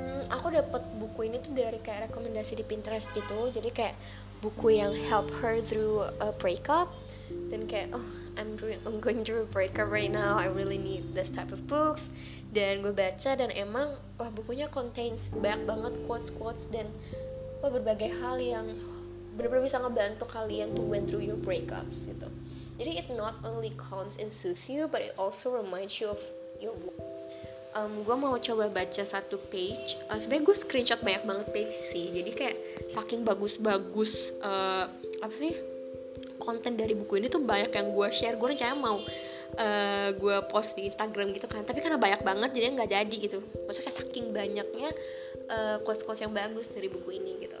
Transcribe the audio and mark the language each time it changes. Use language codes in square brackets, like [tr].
[id] Aku dapat buku ini tuh dari kayak rekomendasi di Pinterest gitu. Jadi kayak buku yang [en] help her through a breakup. [id] Dan kayak, [en] I'm going through a breakup right now, I really need this type of books. [id] Dan gue baca, dan emang, wah, bukunya contains banyak banget quotes-quotes dan wah, berbagai hal yang bener-bener bisa ngebantu kalian [en] to went through your breakups [id] gitu. Jadi [en] it not only calms and soothes you, but it also reminds you of your work. [id] Gue mau coba baca satu page. Sebenernya gue screenshot banyak banget page sih. Jadi kayak saking bagus-bagus apa sih, konten dari buku ini tuh banyak yang gue share. Gue rencananya mau gue post di Instagram gitu kan, tapi karena banyak banget jadi gak jadi gitu. Maksudnya kayak saking banyaknya quotes-quotes yang bagus dari buku ini gitu.